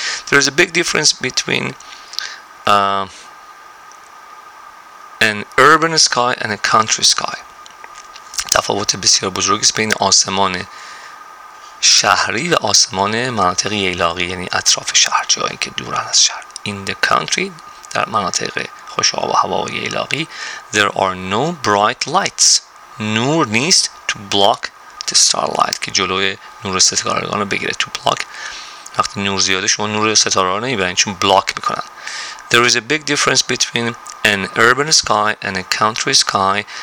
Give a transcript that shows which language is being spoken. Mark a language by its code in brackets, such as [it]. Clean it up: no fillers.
[en] There is a big difference between an urban sky and a country sky. [fa] تفاوت بسیار بزرگی است بین آسمان شهری و آسمان مناطق ایلاقی، یعنی اطراف شهر، جایی که دورن از شهر. [en] In the country, [fa] در مناطق خوش آب و هوای ایلاقی، [en] there are no bright lights. [fa] نور نیست [en] to block the starlight، [fa] که جلوی نور ستارگان رو بگیره. [en] To block، [fa] وقتی نور زیاده شما نور ستاره رو نمیبینید، چون block میکنن. [en] There is a big difference between an urban sky and a country sky.